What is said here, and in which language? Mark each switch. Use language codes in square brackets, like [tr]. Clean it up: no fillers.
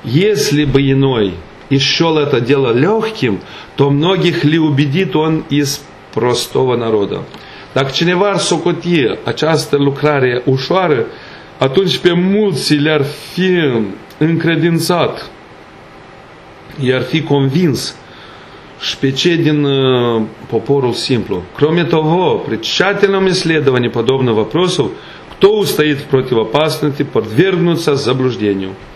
[ru] Если бы иной и счел это дело легким, то многих ли убедит он из простого народа? [ro] Dacă cineva ar socoti această lucrare ușoară, atunci pe mulți le-ar fi încredințat, i-ar fi convins și pe cei din poporul simplu. [ru] Кроме того, при тщательном исследовании подобных вопросов, кто устоит в противоопасности подвергнуться заблуждению?